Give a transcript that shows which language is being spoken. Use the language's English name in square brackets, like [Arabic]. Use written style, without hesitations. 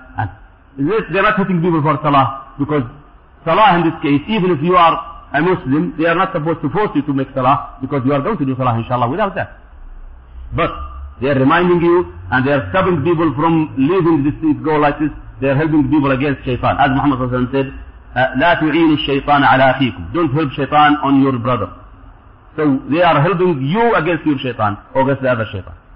[English] And they're not hitting people for Salah, because Salah in this case, even if you are a Muslim, they are not supposed to force you to make Salah, because you are going to do Salah, inshallah, without that. But they are reminding you, and they are stopping people from leaving this thing go like this. They are helping people against shaitan. As Muhammad Hassan said, [Arabic] لا تعين الشيطان على أخيكم. [English] Don't help shaitan on your brother. So they are helping you against your shaitan or against the other shaitan.